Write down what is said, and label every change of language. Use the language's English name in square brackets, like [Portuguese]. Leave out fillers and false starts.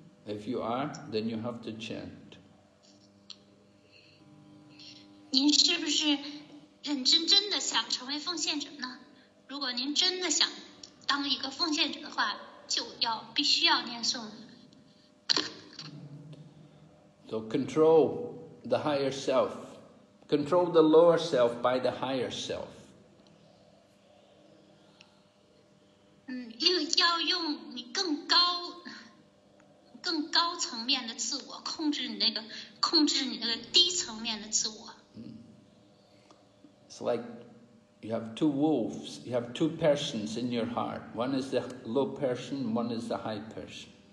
[English] If you are, then you have to chant. [Chinese] 您是不是认真真的想成为奉献者呢？如果您真的想当一个奉献者的话，就要必须要念诵。So [English] control the higher self, control the lower self by the higher self. [Chinese] 要用你更高层面的自我控制你那个低层面的自我。 [English] It's like you have two wolves, you have two persons in your heart. One is the low person, one is the high person.